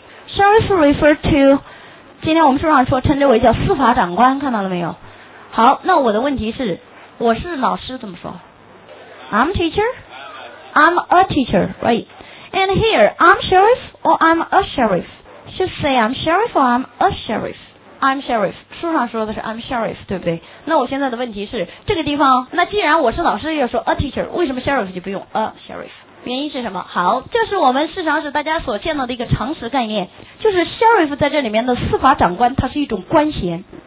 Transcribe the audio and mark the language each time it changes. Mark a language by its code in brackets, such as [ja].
[zh] Sheriff refer to 今天我们书上说称之为叫司法长官，看到了没有？好，那我的问题是，我是老师怎么说？ [en] I'm teacher. I'm a teacher, right? And here, I'm sheriff or I'm a sheriff? Should say I'm sheriff or I'm a sheriff? [zh] I'm sheriff，书上说的是 I'm sheriff， 对不对？那我现在的问题是，这个地方，那既然我是老师，要说 a teacher，为什么 sheriff 就不用 a sheriff？原因是什么？好，这是我们市场是大家所见到的一个常识概念，就是 sheriff 在这里面的司法长官，它是一种官衔。